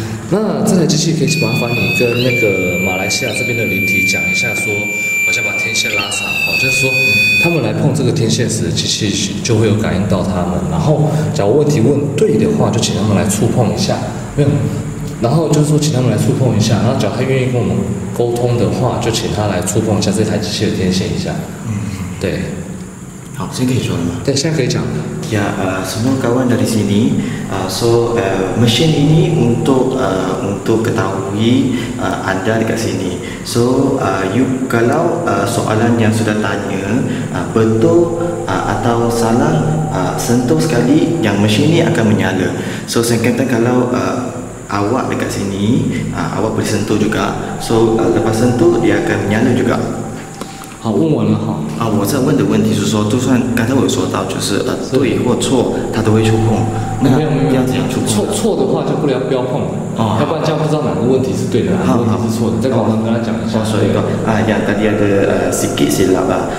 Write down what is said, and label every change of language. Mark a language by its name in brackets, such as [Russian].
[Chinese] 那这台机器可以麻烦你跟那个马来西亚这边的灵体讲一下说，我先把天线拉长哈，就是说他们来碰这个天线时，机器就会有感应到他们。然后假如问题问对的话，就请他们来触碰一下，没有，然后就是说请他们来触碰一下。然后假如他愿意跟我们沟通的话，就请他来触碰一下这台机器的天线一下。嗯，对。好，现在可以说了吗？对，现在可以讲了。 [Malay] Ya, semua kawan dari sini, mesin ini untuk ketahui anda dekat sini. So, kalau soalan yang sudah tanya betul atau salah, sentuh sekali yang mesin ini akan menyala. So, saya kata kalau awak dekat sini, awak boleh sentuh juga. So, lepas sentuh dia akan menyala juga. [Chinese] 好，问完了哈。啊，我在问的问题是说，就算刚才我有说到，就是对或错，他都会触碰。那没有没有，要怎样触碰？错的话就不要碰了。哦，要不然这样不知道哪个问题是对的，哪个问题是错的。再跟我们跟他讲一下。我说一个啊， [Malay] yang tadi ada sikit silap lah.